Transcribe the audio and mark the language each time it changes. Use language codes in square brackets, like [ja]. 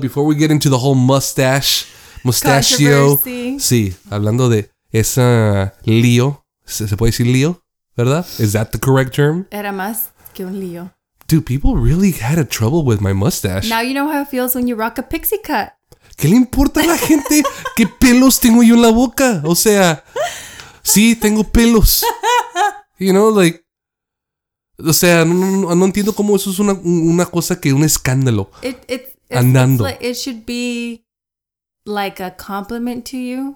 [en] Before we get into the whole mustachio. [es] Sí, hablando de esa lío. ¿Se puede decir lío? ¿Verdad? [en] Is that the correct term? [es] Era más que un lío. [en] Dude, people really had a trouble with my mustache. Now you know how it feels when you rock a pixie cut. [es] ¿Qué le importa a la gente qué pelos tengo yo en la boca? O sea, sí, tengo pelos. [en] You know, like. [es] O sea, no entiendo cómo eso es una cosa que un escándalo. [en] It's [es] andando. [en] Like, it should be like a compliment to you.